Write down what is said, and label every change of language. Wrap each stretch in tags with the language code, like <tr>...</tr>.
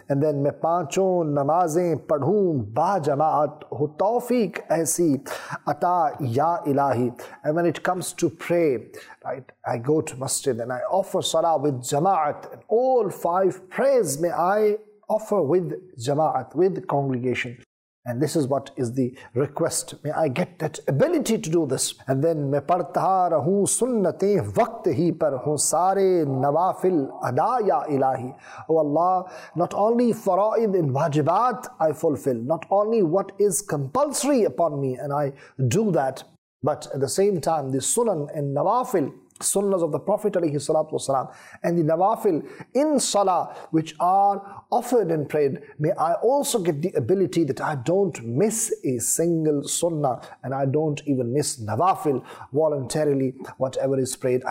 <en>And then</en> <ur>میں پانچوں نمازیں پڑھوں با جماعت، ہو توفیق ایسی عطا یا الہی.</ur> <en>And when it comes to pray, right, I go to masjid and I offer salah with jamaat, and all five prayers may I offer with jamaat, with congregation. And this is what is the request. May I get that ability to do this. And then,</en> <ur>میں پڑھتا رہوں سنتیں وقت ہی پر، ہوں سارے نوافل ادا یا الہی.</ur> <en>Oh Allah, not only faraid and wajibat I fulfill, not only what is compulsory upon me and I do that, but at the same time, the sunan and nawafil, sunnahs of the Prophet alayhi salatu wasalam, and the nawafil in salah which are offered and prayed, may I also get the ability that I don't miss a single sunnah and I don't even miss nawafil voluntarily, whatever is prayed.</en>